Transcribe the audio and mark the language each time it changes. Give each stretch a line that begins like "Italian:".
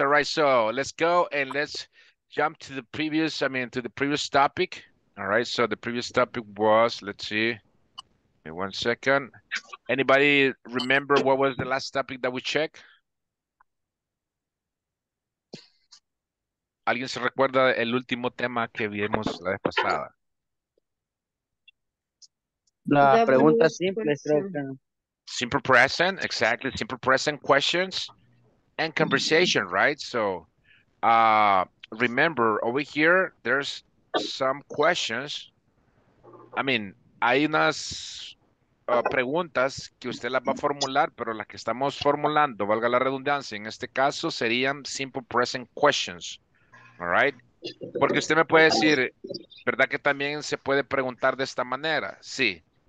English: All right, so let's go and let's jump to the previous, to the previous topic. All right, so the previous topic was, let's see, give me 1 second. Anybody remember what was the last topic that we checked?
Spanish: ¿Alguien se recuerda el último tema que vimos la vez pasada? La pregunta simple, creo.
English: Simple present, exactly. Simple present questions. And conversation, right? So remember over here, there's some questions. I mean,
Spanish: hay unas preguntas que usted las va a formular, pero las que estamos formulando, valga la redundancia, en este caso serían
English: simple present questions. All right?
Spanish: Porque usted me puede decir, ¿verdad que también se puede preguntar de esta manera? Sí.